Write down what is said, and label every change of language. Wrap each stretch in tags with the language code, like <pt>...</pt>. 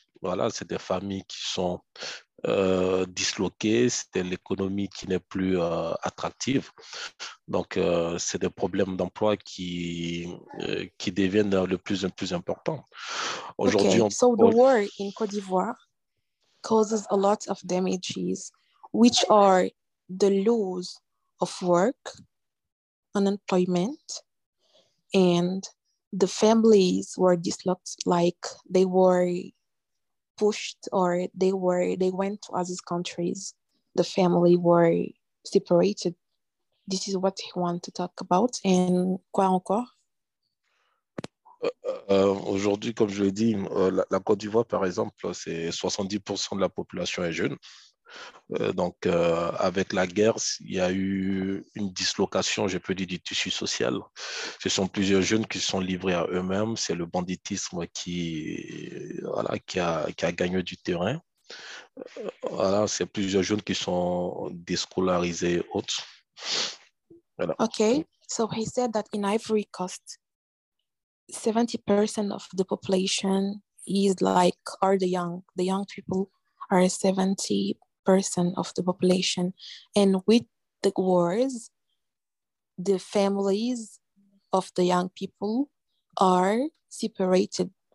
<fr>Voilà, c'est des familles qui sont disloquées, c'est l'économie qui n'est plus attractive. Donc, c'est des problèmes d'emploi qui deviennent le plus en plus importants. Aujourd'hui, okay.</fr> <en>So the war in Côte d'Ivoire causes a lot of damages, which are the loss of work, unemployment, and the families were dislocated, like they were pushed or they went to other countries, the family were separated. This is what he wanted to talk about.</en> <fr>And quoi encore? Aujourd'hui, comme je l'ai dit, la Côte d'Ivoire, par exemple, c'est 70% de la population est jeune. Donc, avec la guerre, il y a eu une dislocation, je peux dire, du tissu social. Ce sont plusieurs jeunes qui se sont livrés à eux-mêmes. C'est le banditisme qui a gagné du terrain. Voilà, c'est plusieurs jeunes qui sont déscolarisés et autres. Voilà.</fr> <en>Okay, so he said that in Ivory Coast, 70% of the population is like, or the young people are 70%. Person of the population, and with the wars, the families of the young people are separated.</en>